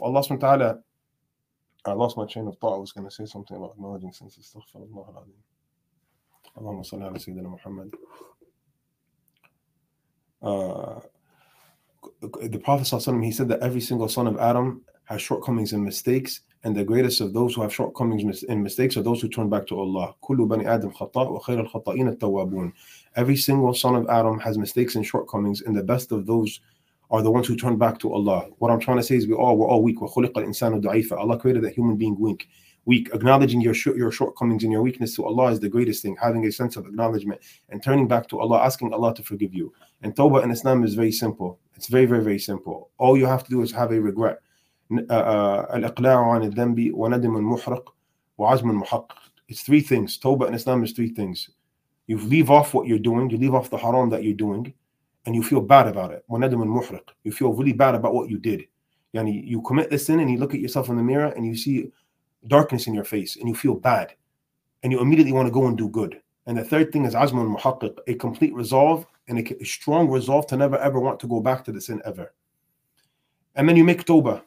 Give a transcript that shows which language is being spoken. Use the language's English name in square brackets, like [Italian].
[English] Allah subhanahu wa ta'ala, I lost my train of thought. I was going to say something about acknowledging sins. Astaghfirullah al-Azim. [Arabic] Allahumma salli ala Sayyidina Muhammad. [English] The Prophet sallallahu alayhi wa sallam, he said that every single son of Adam has shortcomings and mistakes. And the greatest of those who have shortcomings and mistakes are those who turn back to Allah. [Arabic] كل بني آدم خطأ وخير الخطائين التوابون. [English] Every single son of Adam has mistakes and shortcomings, and the best of those are the ones who turn back to Allah. What I'm trying to say is we're all weak. [Arabic] وخلق الإنسان ضعيفا. [English] Allah created that human being weak. Weak. Acknowledging your shortcomings and your weakness to Allah is the greatest thing. Having a sense of acknowledgement and turning back to Allah, asking Allah to forgive you. And tawbah in Islam is very simple. It's very, very, very simple. All you have to do is have a regret. [Arabic] الإقلاع عن الذنب وندم محرق وعزم محقق. [English] It's three things. Tawbah in Islam is three things. You leave off what you're doing, you leave off the haram that you're doing, and you feel bad about it. [Arabic] وندم محرق. [English] You feel really bad about what you did. يعني you commit the sin and you look at yourself in the mirror and you see darkness in your face and you feel bad. And you immediately want to go and do good. And the third thing is [Arabic] عزم محقق, [English] a complete resolve and a strong resolve to never ever want to go back to the sin ever. And then you make tawbah.